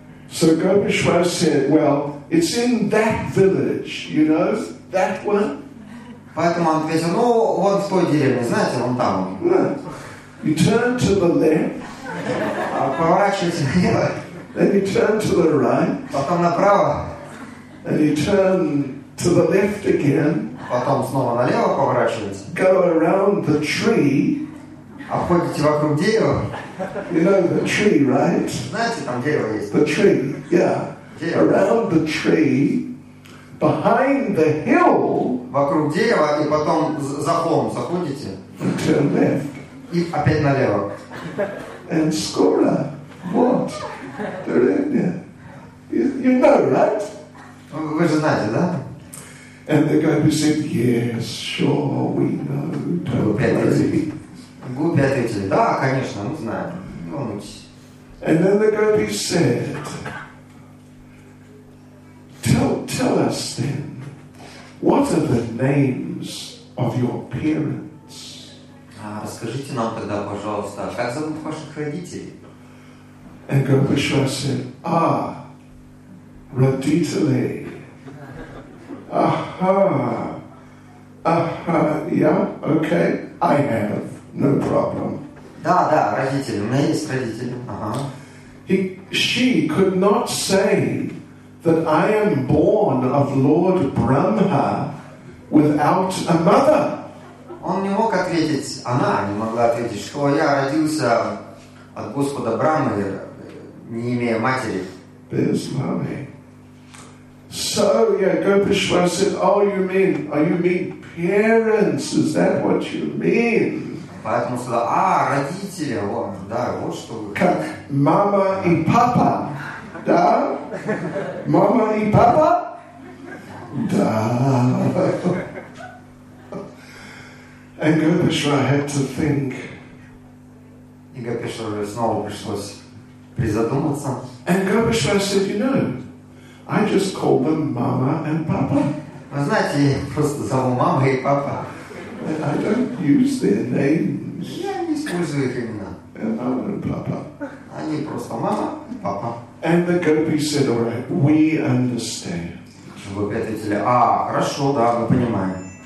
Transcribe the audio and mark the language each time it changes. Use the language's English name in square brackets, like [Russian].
[English] So Gopeshwar said, well, it's in that village, you know, that one. [Russian] Поэтому он ответил, ну, вот в той деревне, знаете, вон там. [English] You turn to the left. [Russian] Поворачивайте влево. [English] Then you turn to the right. [Russian] Потом направо. [English] And you turn to the left again. [Russian] Потом снова налево поворачивайте. [English] Go around the tree. [Russian] Обходите вокруг дерева. [English] You know the tree, right? [Russian] Знаете, там дерево есть. [English] The tree, yeah. [Russian] Дерево. [English] Around the tree, behind the hill. [Russian] Вокруг дерева и потом за холм заходите. [English] And turn left. И опять налево. [Russian] And скоро, вот, деревня. [English] You know, right? [Russian] Вы же знаете, да? [English] And the guy who said, yes, sure, we know. [Russian] Гупи ответили, да, конечно, мы знаем, не волнуйтесь. [English] And then the gopi said, tell us then, what are the names of your parents? [Russian] Расскажите нам тогда, пожалуйста, как зовут ваших родителей? [English] And Gopisha said, ah, Raditale, aha, aha, yeah, okay, I have. No problem. [Russian] Да, да, родители. У меня есть родители. Ага. [English] She could not say that I am born of Lord Brahma without a mother. [Russian] Он не мог ответить. Она не могла ответить, что я родился от Господа Брахмы, не имея матери. Без мамы. [English] So, yeah, Gopeshwar said, oh, you mean parents? Is that what you mean? [Russian] Поэтому сюда, а, родители, вот, да, вот что вы. Как мама и папа, да? Мама и папа? Да. [English] And Gopeshwar had to think. [Russian] И Гопешвар снова пришлось призадуматься. [English] And Gopeshwar said, you know, I just call them мама and папа. [Russian] Вы знаете, я просто зову мама и папа. [English] I don't use their names. [Russian] Я не использую их имена. [English] Mama and papa. [Russian] Они просто мама и папа. [English] And the gopi said, all right, we understand. [Russian] Вы ответили, а, хорошо, да, мы понимаем.